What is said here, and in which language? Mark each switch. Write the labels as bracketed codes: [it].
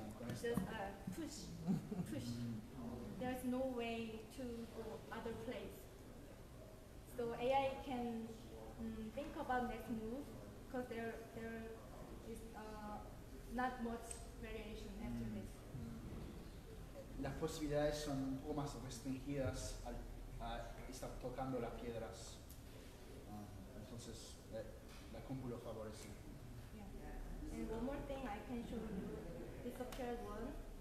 [en] Just push. There's no way to go other place. So AI can think about next move because there is not much variation after this. [es] Las posibilidades son un poco más restringidas al estar tocando las piedras. Entonces, la compu lo favorece. [en] Yeah. And one more thing I can show you, this occurred one.